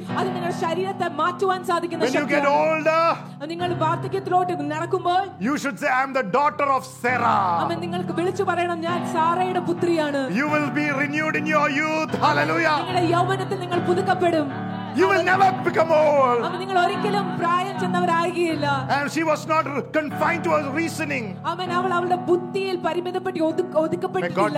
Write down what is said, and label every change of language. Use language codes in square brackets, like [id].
[ml] അത് നിങ്ങളുടെ ശരീരത്തെ മാറ്റുവാൻ സാധിക്കുന്ന ശക്തി. [en] When you get older, [ml] നിങ്ങൾ വാർദ്ധക്യത്തിലോട്ട് നടക്കുമ്പോൾ [en] you should say I am the daughter of Sarah. [ml] അമ്മ നിങ്ങൾക്ക് വിളിച്ചു പറയണം ഞാൻ സാറയുടെ പുത്രിയാണ്. [en] You will be renewed in your youth. Hallelujah. [ml] നിങ്ങളുടെ യൗവനത്തിൽ നിങ്ങൾ പുതുക്കപ്പെടും. [en] You will never become old. [ml] അമ്മ നിങ്ങൾ ഒരിക്കലും പ്രായം ചെന്നവരാകില്ല. [en] And she was not confined to her reasoning. [ml] അമ്മ അവൾ അവളുടെ ബുദ്ധിയിൽ പരിമിതപ്പെട്ടി ഒതുക്കപ്പെട്ടിട്ടില്ല.